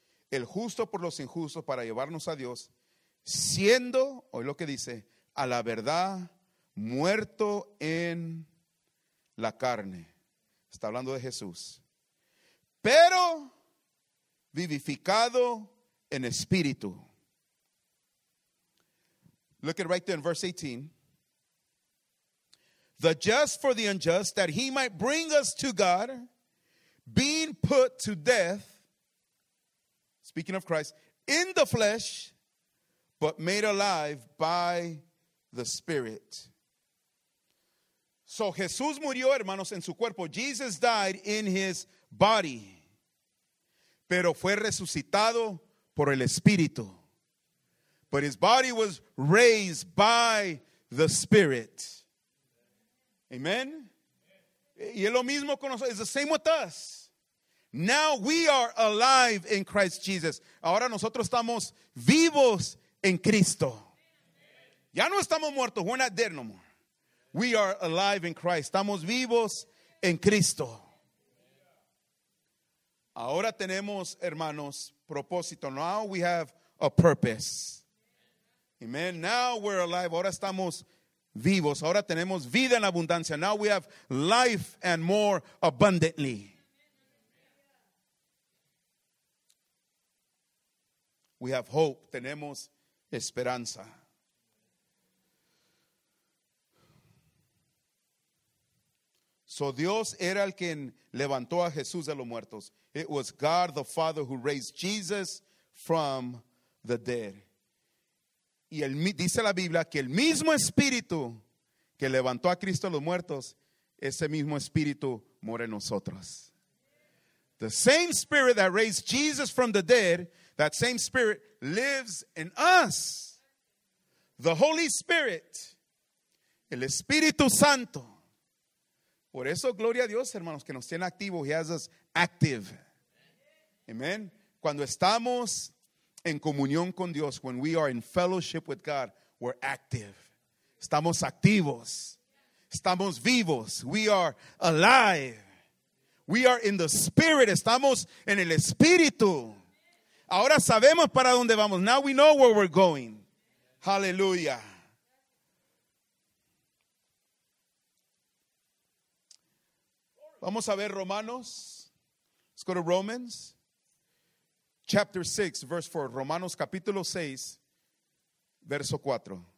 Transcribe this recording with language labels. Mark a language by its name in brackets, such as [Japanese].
[Spanish] El justo por los injustos para llevarnos a Dios, siendo, oye lo que dice, a la verdad, muerto en la carne. Está hablando de Jesús. Pero vivificado en espíritu. [English] Look at right there in verse 18. The just for the unjust, that he might bring us to God, being put to death, speaking of Christ, in the flesh, but made alive by the Spirit. [Spanish] So Jesús murió, hermanos, en su cuerpo. [English] Jesus died in his body. [Spanish] Pero fue resucitado por el Espíritu. [English] But his body was raised by the Spirit. Amen. [Spanish] Y es lo mismo con nosotros. [English] It's the same with us. Now we are alive in Christ Jesus. [Spanish] Ahora nosotros estamos vivos en Cristo. Ya no estamos muertos. [English] We're not dead no more. We are alive in Christ. [Spanish] Estamos vivos en Cristo. Ahora tenemos, hermanos, propósito. [English] Now we have a purpose. Amen. Now we're alive. [Spanish] Ahora estamos vivos. Ahora tenemos vida en abundancia. [English] Now we have life and more abundantly. We have hope. [Spanish] Tenemos esperanza. So Dios era el quien levantó a Jesús de los muertos. [English] It was God the Father who raised Jesus from the dead. [Spanish] Y el, dice la Biblia que el mismo Espíritu que levantó a Cristo de los muertos, ese mismo Espíritu mora en nosotros. [English] The same Spirit that raised Jesus from the dead, that same Spirit lives in us. The Holy Spirit, [Spanish] el Espíritu Santo. Por eso, gloria a Dios, hermanos, que nos tiene activos. [English] He has us active. Amen. [Spanish] Cuando estamos en comunión con Dios, [English] when we are in fellowship with God, we're active. [Spanish] Estamos activos. Estamos vivos. [English] We are alive. We are in the Spirit. [Spanish] Estamos en el Espíritu. Ahora sabemos para dónde vamos. [English] Now we know where we're going. Hallelujah. [Spanish] Vamos a ver Romanos. [English] Let's go to Romans. Chapter 6, verse 4. [Spanish] Romanos capítulo 6, verso 4.